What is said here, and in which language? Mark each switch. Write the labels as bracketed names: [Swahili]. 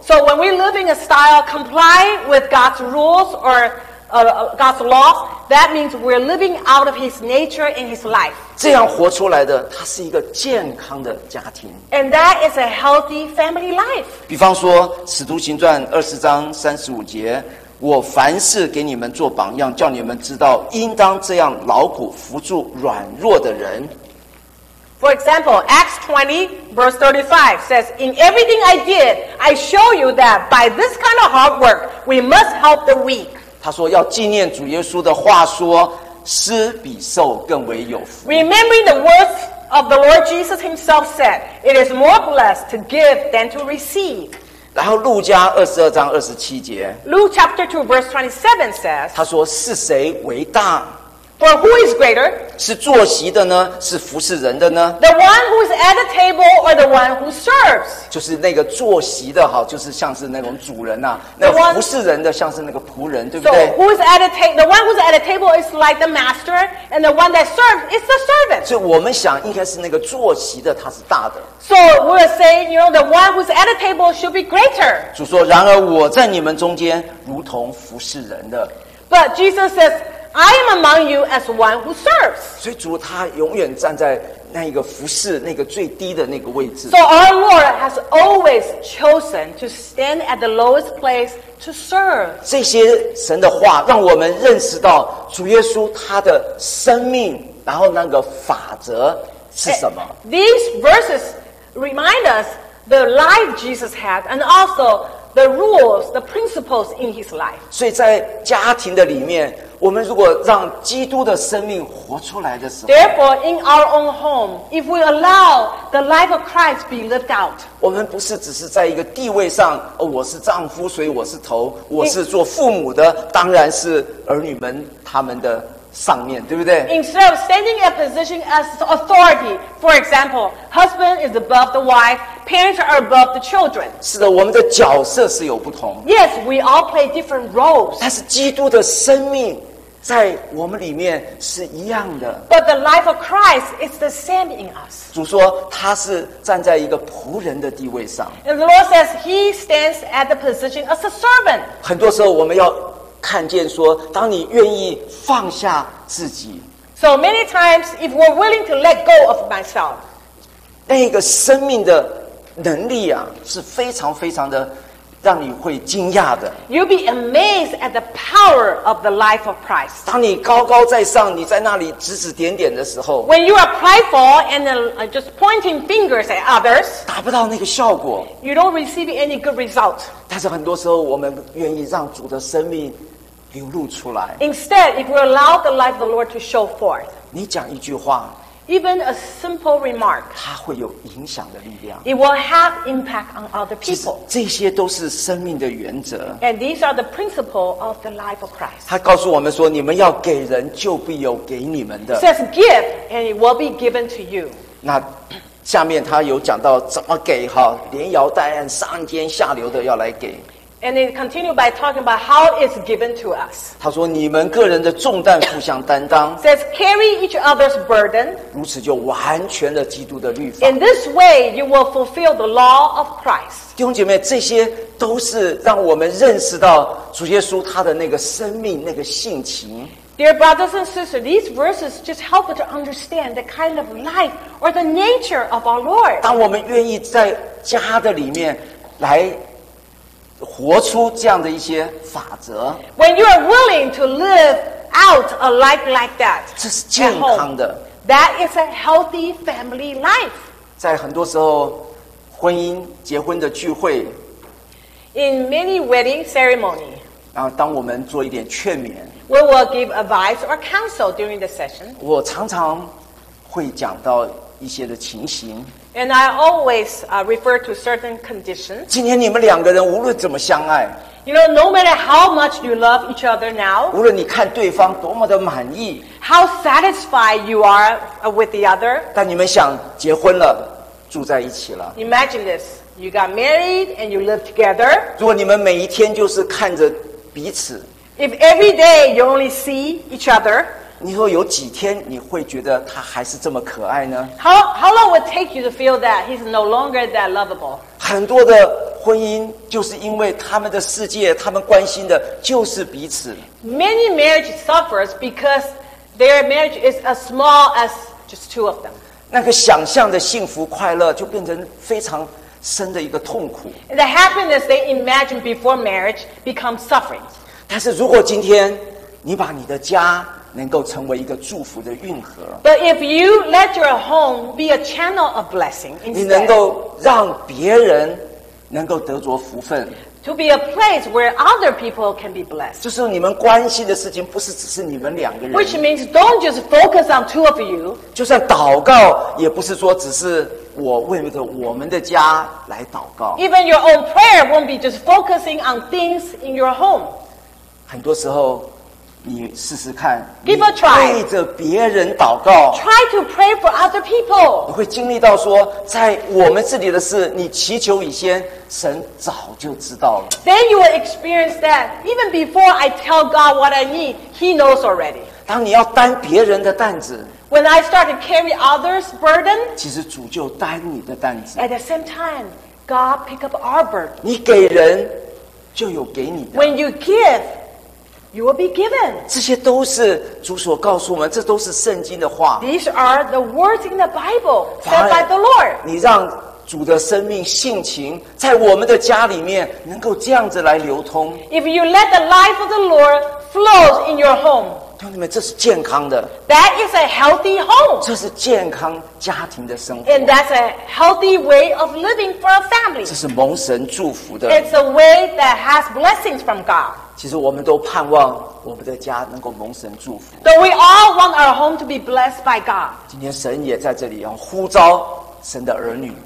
[English] So when we live in a style comply with God's rules or God's laws, that means we're living out of His nature in His life. [Chinese] 这样活出来的，它是一个健康的家庭。 [English] And that is a healthy family life. [Chinese] 比方说，《使徒行传》20:35，我凡事给你们做榜样，叫你们知道应当这样劳苦扶助软弱的人。 [English] For example, Acts 20:35 says, In everything I did, I show you that by this kind of hard work, we must help the weak. [Chinese] 他说要纪念主耶稣的话说，施比受更为有福。 [English] Remembering the words of the Lord Jesus himself said, It is more blessed to give than to receive. [Chinese] 然后路加22:27， [English] Luke 2:27 says， [Chinese] 他说是谁为大 [English] ？For who is greater？ [Chinese] 是坐席的呢？是服侍人的呢 [English] ？The one who is at the table or the one who serves？ [Chinese] 就是那个坐席的哈，就是像是那种主人呐、啊，那个、服侍人的像是那个仆人，对不对 [English] ？So who is at the table？ The one who is at the table is like the master， and the one that serves is the servant。 [Chinese] 所以我们想应该是那个坐席的他是大的。 [English] So we're saying, you know, the one who's at the table should be greater. [Chinese] 主说，然而我在你们中间如同服侍人的。 [English] But Jesus says, I am among you as one who serves. [Chinese] 所以主他永远站在那一个服侍那个最低的那个位置。 [English] So our Lord has always chosen to stand at the lowest place to serve. [Chinese] 这些神的话让我们认识到主耶稣他的生命，然后那个法则是什么。 [English] These verses. Remind us the life Jesus had, and also the rules, the principles in His life. [Chinese] 所以在家庭的里面，我们如果让基督的生命活出来的时候 [English] ，Therefore, in our own home, if we allow the life of Christ be lived out, [Chinese] 我们不是只是在一个地位上，我是丈夫，所以我是头，我是做父母的，当然是儿女们他们的上面，对不对？ [English] Instead of standing in a position as authority, for example, husband is above the wife, parents are above the children. [Chinese] 是的，我们的角色是有不同。 [English] Yes, we all play different roles. [Chinese] 但是基督的生命在我们里面是一样的。 [English] But the life of Christ is the same in us. [Chinese] 主说他是站在一个仆人的地位上。 [English] And the Lord says he stands at the position as a servant. [Chinese] 很多时候我们要看见说，当你愿意放下自己 [English] ，So many times if we're willing to let go of myself， [Chinese] 那个生命的能力啊，是非常非常的让你会惊讶的。 [English] You'll be amazed at the power of the life of Christ。 [Chinese] 当你高高在上，你在那里指指点点的时候 [English] ，When you are prideful and just pointing fingers at others， [Chinese] 达不到那个效果 [English] ，You don't receive any good result。 [Chinese] 但是很多时候，我们愿意让主的生命流露出来。 [English] Instead, if we allow the life of the Lord to show forth， [Chinese] 你讲一句话 [English] ，even a simple remark， [Chinese] 它会有影响的力量。 [English] It will have impact on other people。 [Chinese] 这些都是生命的原则。 [English] And these are the principle of the life of Christ。 [Chinese] 他告诉我们说，你们要给人，就必有给你们的。 [English] Says give, and it will be given to you。 [Chinese] 那下面他有讲到怎么给哈，连摇带按，上尖下流的要来给。 [English] And it continued by talking about how it's given to us. [Chinese] 他说你们个人的重担互相担当。 [English] Says carry each other's burden. [Chinese] 如此就完全了基督的律法。 [English] In this way, you will fulfill the law of Christ. [Chinese] 弟兄姐妹，这些都是让我们认识到主耶稣他的那个生命那个性情。 [English] Dear brothers and sisters, these verses just help us to understand the kind of life or the nature of our Lord. [Chinese] 当我们愿意在家的里面来活出这样的一些法则。 [English] When you are willing to live out a life like that. [Chinese] 这是健康的。 [English] That is a healthy family life. [Chinese] 在很多时候，婚姻结婚的聚会。 [English] In many wedding ceremony. [Chinese] 然后当我们做一点劝勉。 [English] We will give advice or counsel during the session. [Chinese] 我常常会讲到一些的情形。 [English] And I always refer to certain conditions. [Chinese] 今天你们两个人无论怎么相爱。 [English] You know, no matter how much you love each other now, [Chinese] 无论你看对方多么的满意, [English] how satisfied you are with the other, [Chinese] 但你们想结婚了, 住在一起了。 [English] Imagine this, you got married and you live together. [Chinese] 如果你们每一天就是看着彼此, [English] if every day you only see each other, [Chinese] 你说有几天你会觉得他还是这么可爱呢? [English] How long would it take you to feel that he's no longer that lovable? [Chinese] 很多的婚姻就是因为他们的世界，他们关心的就是彼此。 [English] Many marriages suffer because their marriage is as small as just two of them. [Chinese] 那个想象的幸福快乐就变成非常深的一个痛苦。 [English] The happiness they imagine before marriage becomes suffering. [Chinese] 但是如果今天你把你的家能够成为一个祝福的运河。 [English] But if you let your home be a channel of blessing instead, [Chinese] 你能够让别人能够得着福分。 [English] To be a place where other people can be blessed. [Chinese] 就是你们关心的事情不是只是你们两个人。 [English] Which means don't just focus on two of you. [Chinese] 就算祷告也不是说只是我为了我们的家来祷告。 [English] Even your own prayer won't be just focusing on things in your home. [Chinese] 很多时候你试试看 [English] Give a try. [Chinese] 为着别人祷告 [English] Try to pray for other people. [Chinese] 你会经历到说在我们自己的事你祈求以先神早就知道了 [English] Then you will experience that even before I tell God what I need He knows already. [Chinese] 当你要担别人的担子 [English] When I start to carry others' burden [Chinese] 其实主就担你的担子 [English] At the same time God pick up our burden. [Chinese] 你给人就有给你的 [English] When you giveYou will be given. [Chinese] 这些都是主所告诉我们，这都是圣经的话。 [English] These are the words in the Bible said by the Lord. [Chinese] 你让主的生命性情在我们的家里面能够这样子来流通。 [English] If you let the life of the Lord flows in your home, [Chinese] 同学们，这是健康的。 [English] That is a healthy home. [Chinese] 这是健康家庭的生活。 [English] And that's a healthy way of living for a family. [Chinese] 这是蒙神祝福的。 [English] It's a way that has blessings from God. [Chinese] 其实我们都盼望我们的家能够蒙神祝福。 [English] Though we all want our home to be blessed by God. [Chinese] 今天神也在这里要呼召神的儿女。